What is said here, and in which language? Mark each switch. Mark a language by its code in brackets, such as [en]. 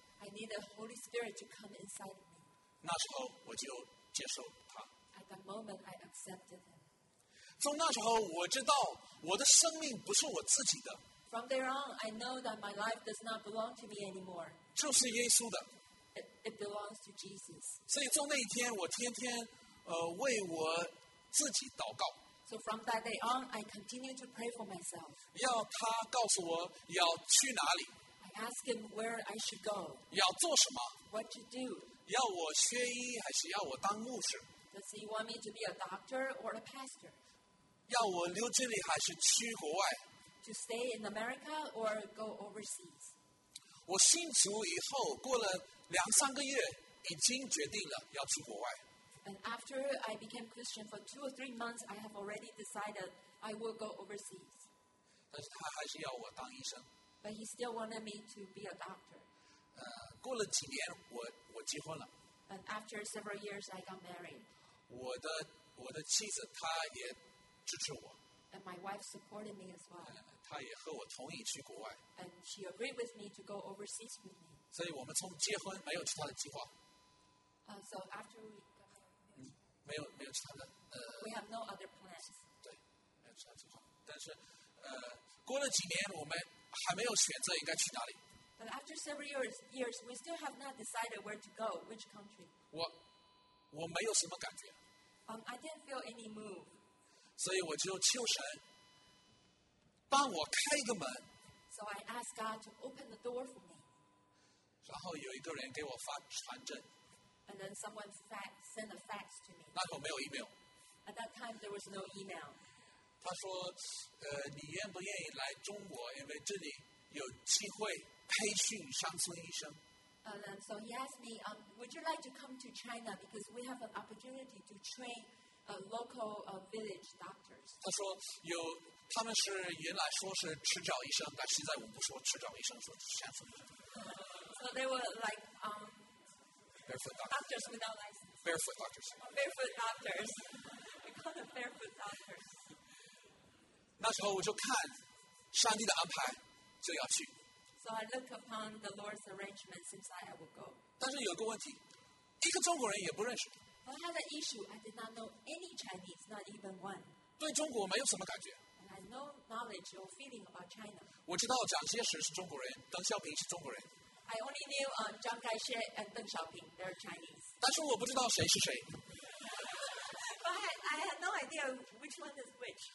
[en] I need the Holy Spirit to come inside me. [zh] 那时候我就接受他。 [en] At that moment, I accepted him. [zh] 从那时候我知道我的生命不是我自己的。 [en] From there on, I know that my life does not belong to me anymore. [zh] 就是耶稣的。 [en] It belongs to Jesus. [zh] 所以从那一天，我天天为我自己祷告。 [en] So from that day on, I continue to pray for myself. [zh] 要他告诉我要去哪里。 [en] I ask him where I should go. [zh] 要做什么。 [en] What to do. [zh] 要我学医还是要我当牧师。 [en] Does he want me to be a doctor or a pastor? [zh] 要我留这里还是去国外。 [en] To stay in America or go overseas. [zh] 我信主以后过了两三个月已经决定了要去国外。 [en] And after I became Christian for 2 or 3 months, I have already decided I will go overseas. [zh] 但是他还是要我当医生。 [en] But he still wanted me to be a doctor. [zh] 过了几年我结婚了。 [en] And after several years, I got married. [zh] 我的妻子她也支持我。 [en] And my wife supported me as well. [zh] 她也和我同意去国外。 [en] And she agreed with me to go overseas with me. [zh] 所以我们从结婚没有其他的计划。 [en] So after we... [zh] 没有其他的 [en] We have no other plans. [zh] 对，没有其他计划。但是，过了几年，我们还没有选择应该去哪里。 [en] But after several years, we still have not decided where to go, which country. [zh] 我没有什么感觉。 [en] I didn't feel any move. [zh] 所以我就求神帮我开一个门。 [en] So I asked God to open the door for me. [zh] 然后有一个人给我发传真。 [en] And then someone sent a fax to me. [zh] 那时候没有 email. [en] At that time, there was no email. [zh] 他说，你愿不愿意来中国？因为这里有机会培训乡村医生。 [en] And then, so he asked me, would you like to come to China? Because we have an opportunity to train local village doctors. [zh] 他说有，他们是原来说是迟早医生，但现在我不说迟早医生，说乡村医生。 [en] So they were like, Barefoot doctors without license. Barefoot doctors. Barefoot doctors. We call them barefoot doctors. [zh] 那时候我就看上帝的安排，就要去。 [en] So I looked upon the Lord's arrangement since I would go. [zh] 但是有个问题，一个中国人也不认识。 [en] I had an issue. I did not know any Chinese, not even one. [zh] 对中国没有什么感觉。 [en] And I had no knowledge or feeling about China. [zh] 我知道蒋介石是中国人，邓小平是中国人。 [en] I only knew Chiang Kai-shek and Deng Xiaoping. They're Chinese. [zh] 但是我不知道谁是谁。 [en] But I had no idea which one is which.